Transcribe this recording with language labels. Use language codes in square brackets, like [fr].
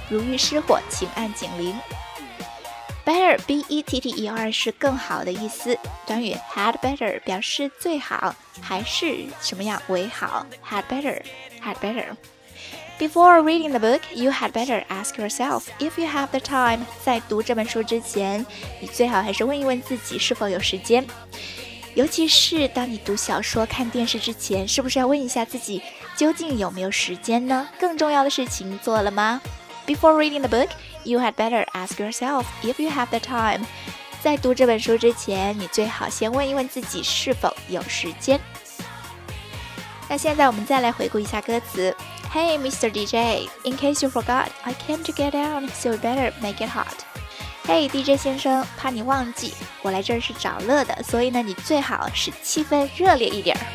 [zh] 如遇失火，请按警铃。Better, B-E-T-T-E-R 是更好的意思。短语 had better 表示最好，还是什么样为好。 [en] Had better, had better. Before reading the book, you had better ask yourself if you have the time. [zh] 在读这本书之前，你最好还是问一问自己是否有时间。尤其是当你读小说看电视之前，是不是要问一下自己究竟有没有时间呢？更重要的事情做了吗？ [en] Before reading the book, you had better ask yourself if you have the time. [zh] 在读这本书之前，你最好先问一问自己是否有时间。那现在我们再来回顾一下歌词。 [en] Hey Mr. DJ, in case you forgot, I came to get down, so you better make it hot. [zh] Hey, DJ 先生，怕你忘记，我来这儿是找乐的，所以呢，你最好是气氛热烈一点。